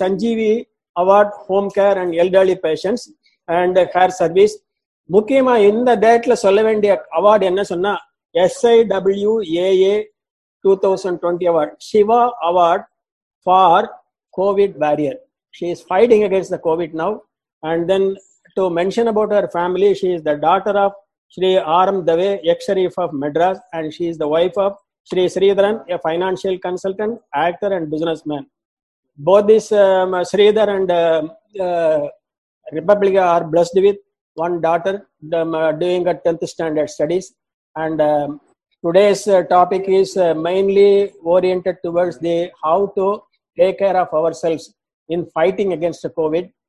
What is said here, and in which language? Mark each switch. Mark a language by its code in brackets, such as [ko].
[en] Sanjeevi Award, Home Care and Elderly Patients and Care Service. [ta] முக்கியமா இந்த டேட்ல சொல்ல வேண்டிய அவார்டு என்ன சொன்னா, SIWAA 2020 award, Siva award for Covid warrior. [en] She is fighting against the Covid now. And then to mention about her family, she is the daughter of Shri R M Dave, ex sheriff of Madras, and she is the wife of Shri Sridharan, a financial consultant, actor and businessman. Both these Sridhar and Republica are blessed with one daughter doing a 10th standard studies. And today's topic is mainly oriented towards the how to take care of ourselves in fighting against COVID.